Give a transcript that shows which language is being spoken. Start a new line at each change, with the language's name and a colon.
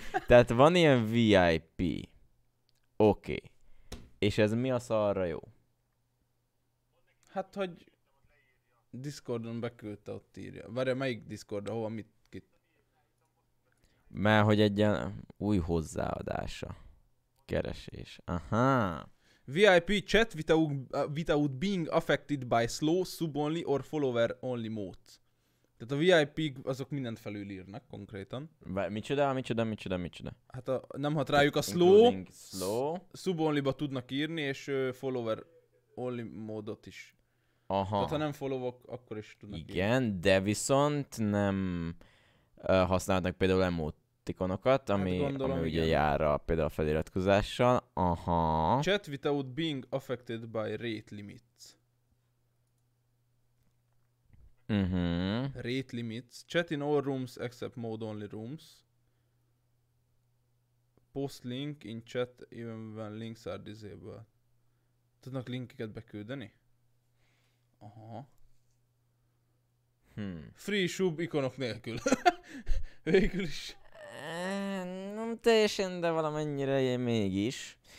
Hungarian: Tehát van ilyen VIP. Oké. Okay. És ez mi a szarra jó? Hát, hogy Discordon beküldte, ott írja. Várja, melyik Discord, hova mit? Kit? Mert hogy egy új hozzáadása. Keresés. Aha.
English: VIP chat without being affected by slow, sub-only or follower-only mode.
Hungarian: Tehát a VIP azok mindent felülírnak konkrétan. Micsoda? Hát a, nem hat rájuk a slow,
English: slow.
Hungarian: Sub-only-ba tudnak írni, és follower-only módot is. Aha. Tehát ha nem followok, akkor is tudnak igen írni. De viszont nem használnak például emote ikonokat, ami, hát gondolom, ami ugye jár a például a feliratkozással. Aha.
English: Chat without being affected by rate limits. Uh-huh. Rate limits. Chat in all rooms except mode only rooms. Post link in chat even when links are disabled.
Hungarian: Tudnak linkeket beküldeni? Aha. Free sub ikonok nélkül. Végül is. Nem teljesen, de valamennyire ilyen mégis.